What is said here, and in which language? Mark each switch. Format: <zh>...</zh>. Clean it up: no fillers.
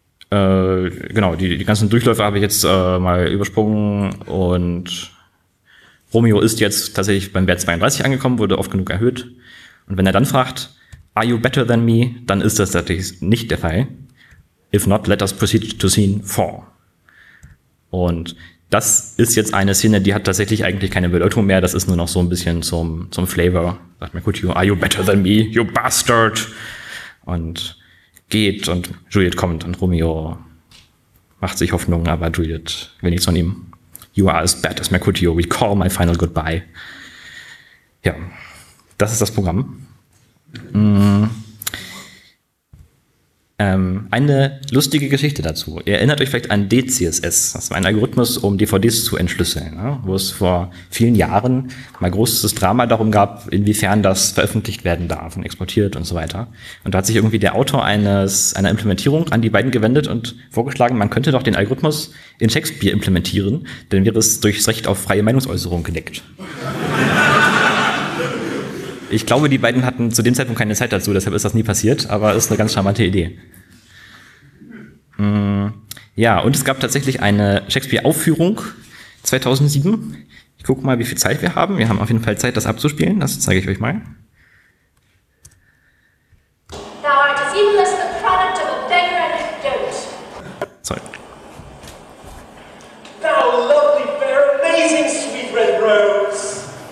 <de>Genau, die ganzen Durchläufe habe ich jetzt mal übersprungen und Romeo ist jetzt tatsächlich beim Wert 32 angekommen, wurde oft genug erhöht. Und wenn er dann fragt,</de> <en>are you better than me,</en> <de>dann ist das natürlich nicht der Fall.</de> <en>If not, let us proceed to scene 4.</en> <de>Und das ist jetzt eine Szene, die hat tatsächlich eigentlich keine Bedeutung mehr. Das ist nur noch so ein bisschen zum Flavor. Sagt mir, gut,</de> <en>are you better than me, you bastard?</en> <de>Und geht und Juliet kommt und Romeo macht sich Hoffnung, aber Juliet will nichts von ihm.</de> <en>You are as bad as Mercutio. We call my final goodbye.</en> <de>Ja, das ist das Programm. Eine lustige Geschichte dazu. Ihr erinnert euch vielleicht an DCSS. Das war ein Algorithmus, um DVDs zu entschlüsseln, ne? Wo es vor vielen Jahren mal großes Drama darum gab, inwiefern das veröffentlicht werden darf und exportiert und so weiter. Und da hat sich irgendwie der Autor einer Implementierung an die beiden gewendet und vorgeschlagen, man könnte doch den Algorithmus in Shakespeare implementieren, dann wäre es durchs Recht auf freie Meinungsäußerung gedeckt. Ich glaube, die beiden hatten zu dem Zeitpunkt keine Zeit dazu, deshalb ist das nie passiert, aber es ist eine ganz charmante Idee. Ja, und es gab tatsächlich eine Shakespeare-Aufführung 2007. Ich gucke mal, wie viel Zeit wir haben. Wir haben auf jeden Fall Zeit, das abzuspielen. Das zeige ich euch mal.</de> <en>Thou art as evil as the product of a beggar and a goat. Sorry. Thou lovely fair, amazing sweet red rose.</en>